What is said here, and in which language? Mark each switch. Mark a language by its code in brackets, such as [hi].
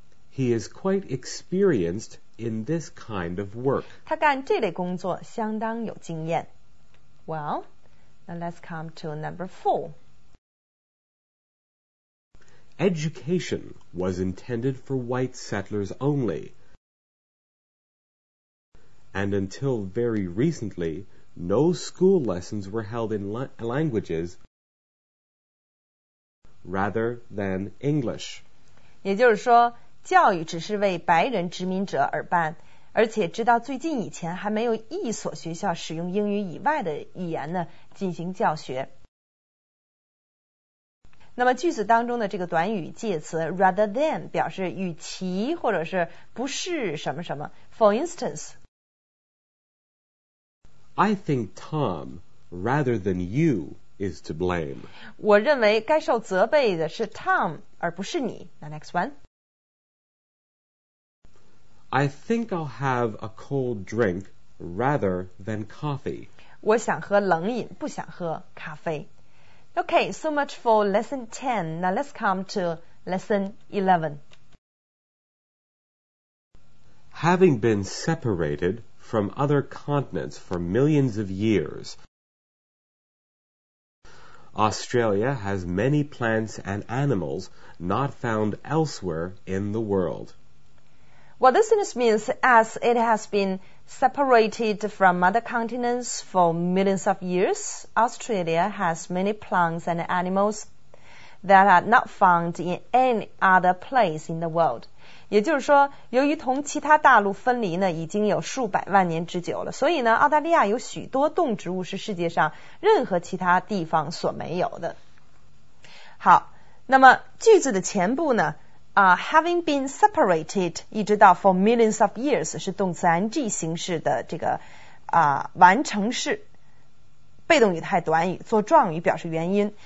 [en] He is quite experienced in this kind of work. [zh] 他干这类工作相当有经验。 [en] Well, now let's come to number four. Education was intended for white settlers only. And until very recently, no school lessons were held in languages rather than English. [zh] 也就是说教育只是为白人殖民者而办，而且直到最近以前还没有一所学校使用英语以外的语言呢进行教学。那么句子当中的这个短语介词 rather than 表示与其或者是不是什么什么。 [en] For instance， I think Tom rather than you is to blame， [zh] 我认为该受责备的是 Tom 而不是你。 [en] Now next one， I think I'll have a cold drink rather than coffee. [zh] 我想喝冷饮，不想喝咖啡。 [en] Okay, so much for lesson 10. Now let's come to lesson 11. Having been separated from other continents for millions of years, Australia has many plants and animals not found elsewhere in the world. Well, this means as it has been separated from other continents for millions of years, Australia has many plants and animals that are not found in any other place in the world. [zh] 也就是说，由于同其他大陆分离呢，已经有数百万年之久了，所以呢，澳大利亚有许多动植物是世界上任何其他地方所没有的。好，那么句子的前部呢？ [en] Having been separated [zh] 一直到 [en] for millions of years [zh] 是动词 ing 形式的这个完成式，被动语态短语做状语表示原因。